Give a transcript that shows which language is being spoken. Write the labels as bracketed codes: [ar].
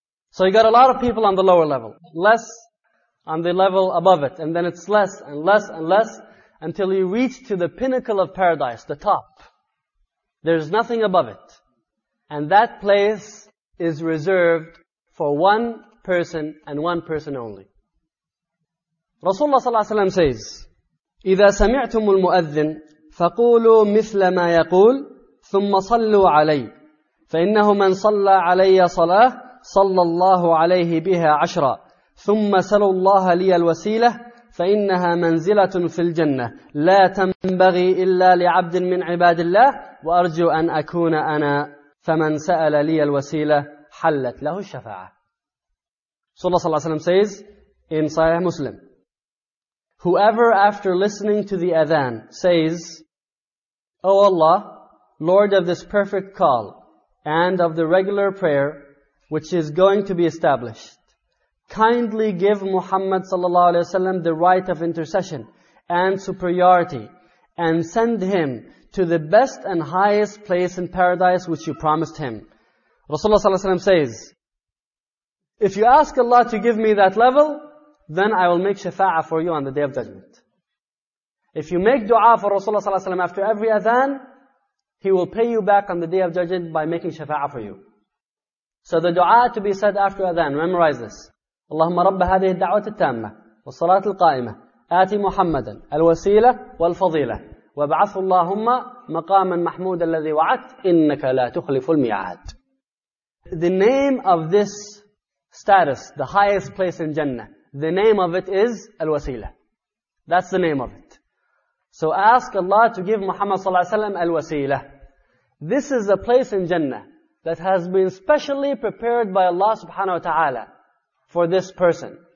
[en] So you got a lot of people on the lower level, less on the level above it, and then it's less and less and less until you reach to the pinnacle of paradise, the top. There's nothing above it. And that place is reserved for one person and one person only. Rasulullah sallallahu alaihi wasallam says, [ar] إِذَا سَمِعْتُمُ الْمُؤَذِّنِ فَقُولُوا مِثْلَ مَا يَقُولُ ثُمَّ صَلُّوا عَلَيْهِ فَإِنَّهُ مَنْ صَلَّى عَلَيَّ صَلَاةً صلى الله عليه بها عشرا ثم سلوا الله لي الوسيلة فإنها منزلة في الجنة لا تنبغي إلا لعبد من عباد الله وأرجو أن أكون أنا فمن سأل لي الوسيلة حلت له الشفاعة. صلى الله عليه وسلم [en] says in Sahih Muslim, whoever after listening to the adhan says, O Allah, Lord of this perfect call and of the regular prayer which is going to be established, kindly give Muhammad sallallahu alaihi wasallam the right of intercession and superiority and send him to the best and highest place in paradise which you promised him. Rasulullah sallallahu alaihi wasallam says, if you ask Allah to give me that level, then I will make shafa'ah for you on the Day of Judgment. If you make dua for Rasulullah sallallahu alaihi wasallam after every adhan, he will pay you back on the Day of Judgment by making shafa'ah for you. So the dua to be said after adhan, memorize this. [ar] اللهم رب هذه الدعوة التامة والصلاة القائمة آتي محمدا الوسيلة والفضيلة وابعث اللهم مقاما محمودا الذي وعدت إنك لا تخلف الميعاد. [en] The name of this status, the highest place in Jannah, the name of it is الوسيلة. That's the name of it. So ask Allah to give Muhammad [ar] صلى الله عليه وسلم الوسيلة. [en] This is a place in Jannah that has been specially prepared by Allah subhanahu wa ta'ala for this person.